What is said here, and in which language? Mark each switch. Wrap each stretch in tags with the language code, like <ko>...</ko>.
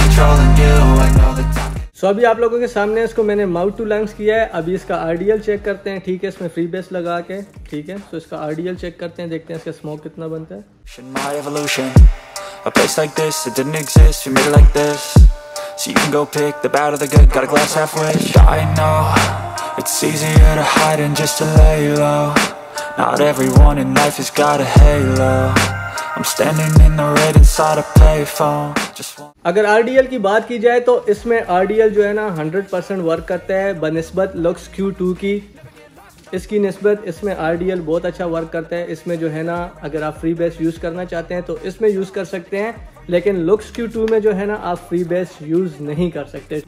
<hi>सो अभी आप लोगों के सामने इसको मैंने माउथ टू लंग्स किया है, अभी इसका RDL चेक करते हैं, ठीक है, इसमें फ्री बेस लगा के, ठीक है, तो इसका RDL चेक करते हैं, देखते हैं इसका स्मोक कितना बनता है।</hi> <en>So you can go pick the bad or the good, got a glass half wish. I know, it's easier to hide than just to lay low. Not everyone in life has got a halo. I'm standing in the red inside a payphone.</en> <hi>अगर RDL की बात की जाए तो इसमें RDL जो है ना 100% वर्क करता है, बनिस्बत लुक्स Q2 की, इसकी नस्बत इसमें RDL बहुत अच्छा वर्क करता है। इसमें जो है ना अगर आप फ्री बेस यूज़ करना चाहते हैं तो इसमें यूज़ कर सकते हैं, लेकिन लुक्स Q2 में जो है ना आप फ्री बेस यूज नहीं कर सकते।</hi>